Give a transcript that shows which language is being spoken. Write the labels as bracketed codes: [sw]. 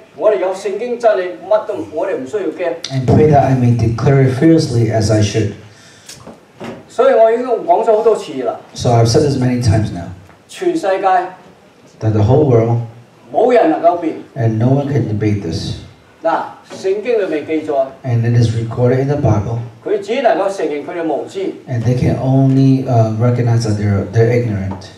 [yue] 我哋有聖經真理，乜都我哋唔需要驚。 [en] And pray that I may declare fearlessly as I should。 [yue] 所以我已經講咗好多次啦。 [en] So I've said this many times now。 [yue] 全世界。 [en] That the whole world。 [yue] 冇人能夠辯。 [en] And no one can debate this。 [yue] 嗱，聖經裏面記載。 [en] And it is recorded in the Bible。 [yue] 佢只能夠承認佢哋無知。 [en] And they can only recognize that they're ignorant。